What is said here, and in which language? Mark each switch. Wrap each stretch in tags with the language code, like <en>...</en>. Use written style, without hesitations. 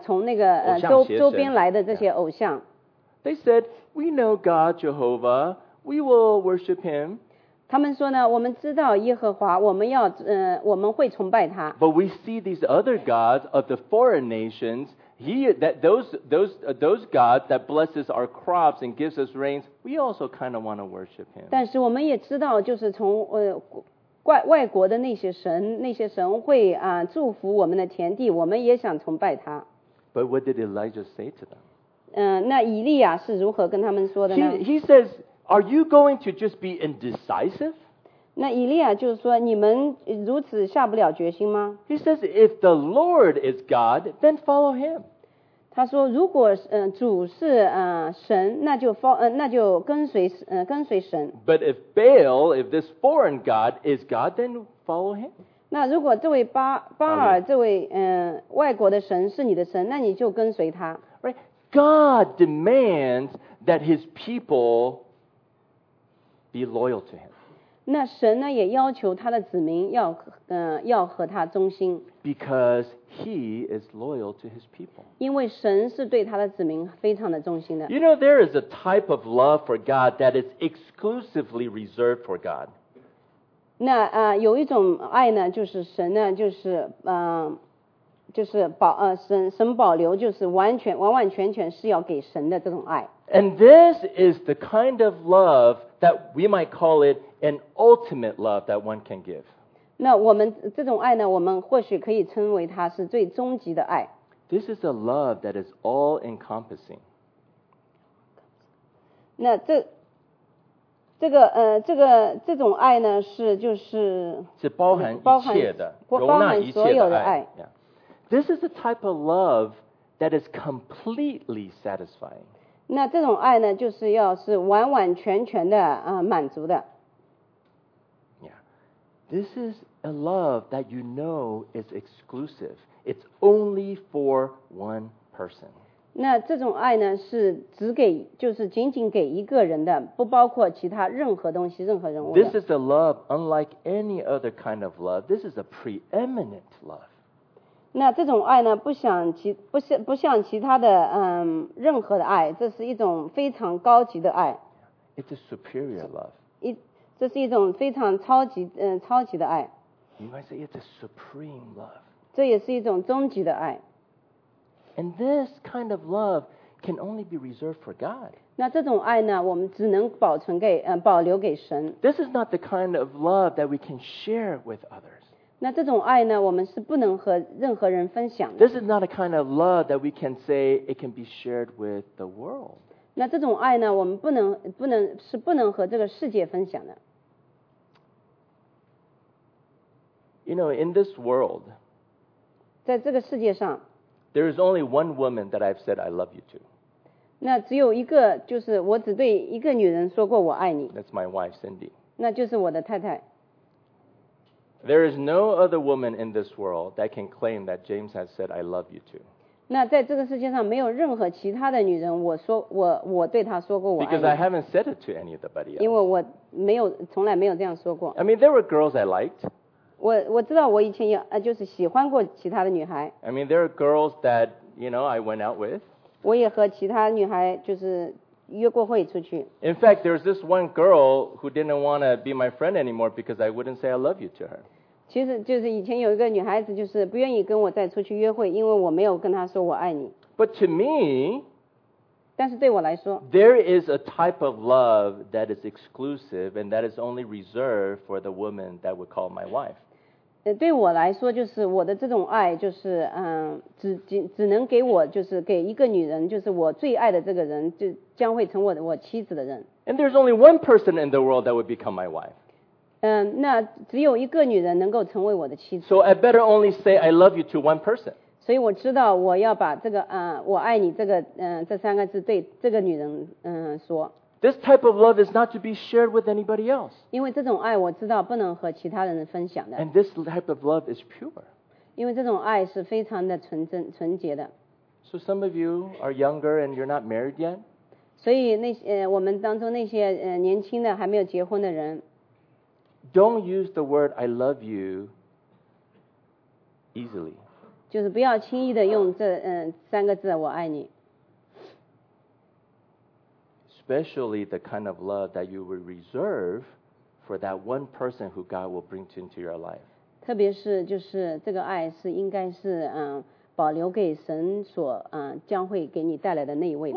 <zh>从那个周边来的这些偶像。</zh> <en>They said, "We know God Jehovah. We will worship Him."</en> <zh>他们说呢，我们知道耶和华，我们要我们会崇拜他。</zh> <en>But we see these other gods of the foreign nations. Those gods that blesses our crops and gives us rains, we also kind of want to worship him.</en> <zh>但是我们也知道，就是从外国的那些神会祝福我们的田地，我们也想崇拜他。</zh> <en>But what did Elijah say to them?</en> <zh>那以利亚是如何跟他们说的呢</zh> <en>？He says, "Are you going to just be indecisive?"</en> <zh>那以利亚就是说，你们如此下不了决心吗</zh> <en>？He says, "If the Lord is God, then follow him."</en> <zh>他说，如果主是神，那就跟随神。</zh> <en>But if Baal, if this foreign god is God, then follow him.</en> <zh>那如果这位巴尔这位外国的神是你的神，那你就跟随他。</zh> <en>Right, God demands that his people be loyal to him.</en> <zh>那神呢也要求他的子民要要和他忠心。</zh> <en>Because he is loyal to his people.</en> <zh>因为神是对他的子民非常的忠心的。</zh> <en>You know, there is a type of love for God that is exclusively reserved for God.</en> <zh>那有一种爱呢，就是神呢，就是就是保神保留，就是完全完完全全是要给神的这种爱。</zh> <en>And this is the kind of love that we might call it an ultimate love that one can give.</en> <zh>那我们这种爱呢，我们或许可以称为它是最终极的爱。</zh> <en>This is a love that is all encompassing.</en> <zh>那这种爱呢，是就是是包含一切的，包含所有的爱。</zh> <en>This is the type of love that is completely satisfying.</en> <zh>那这种爱呢，就是要是完完全全的满足的。</zh> <en>Yeah. This is a love that you know is exclusive. It's only for one person.</en> <zh>那这种爱呢，是只给，就是仅仅给一个人的，不包括其他任何东西，任何人物的。</zh> <en>This is a love unlike any other kind of love. This is a preeminent love.</en> <zh>那这种爱呢，不像其他的任何的爱，这是一种非常高级的爱。</zh> <en>It's a superior love.</en> <zh>这是一种非常超级的爱。</zh> <en>You might say it's a supreme love.</en> <zh>这也是一种终极的爱。</zh> <en>And this kind of love can only be reserved for God.</en> <zh>那这种爱呢，我们只能保留给神。</zh> <en>This is not the kind of love that we can share with others.</en> <zh>那这种爱呢，我们是不能和任何人分享的。</zh> <en>This is not a kind of love that we can say it can be shared with the world.</en> <zh>那这种爱呢，我们不能是不能和这个世界分享的。</zh> <en>You know, in this world,</en> <zh>在这个世界上</zh> <en>there is only one woman that I've said I love you to.</en> <zh>那只有一个，就是我只对一个女人说过我爱你。</zh> <en>That's my wife, Cindy.</en> <zh>那就是我的太太。</zh> <en>There is no other woman in this world that can claim that James has said I love you to.</en> <zh>那在这个世界上没有任何其他的女人我对她说过我爱你。</zh> <en>Because I haven't said it to anybody else.</en> <zh>因为我没有从来没有这样说过。</zh> <en>I mean, there were girls I liked.</en> <zh>我知道我以前就是喜欢过其他的女孩。</zh> <en>I mean, there are girls that, you know, I went out with.</en> <zh>我也和其他女孩就是约过会出去。</zh> <en>In fact, there's this one girl who didn't want to be my friend anymore because I wouldn't say I love you to her.</en> <zh>其实就是以前有一个女孩子就是不愿意跟我再出去约会，因为我没有跟她说我爱你。</zh> <en>But to me,</en> <zh>但是对我来说，</zh> <en>there is a type of love that is exclusive and that is only reserved for the woman that would call my wife.</en> <zh>对我来说，就是我的这种爱就是只能给我就是给一个女人，就是我最爱的这个人就将会成我妻子的人。</zh> <en>And there's only one person in the world that would become my wife.</en> <zh>那只有一个女人能够成为我的妻子。</zh> <en>So I better only say I love you to one person.</en> <zh>所以我知道我要把这个我爱你这个这三个字对这个女人说。</zh> <en>This type of love is not to be shared with anybody else.</en> <zh>因为这种爱我知道不能和其他人分享的。</zh> <en>And this type of love is pure.</en> <zh>因为这种爱是非常的纯洁的。</zh> <en>So some of you are younger and you're not married yet.</en> <zh>所以我们当中那些年轻的还没有结婚的人。</zh> <en>Don't use the word I love you easily.</en> <zh>就是不要轻易的用这三个字我爱你。</zh> <en>Especially the kind of love that you will reserve for that one person who God will bring into your life.</en> <zh>特别是就是这个爱是应该是保留给神所将会给你带来的那一位的。</zh>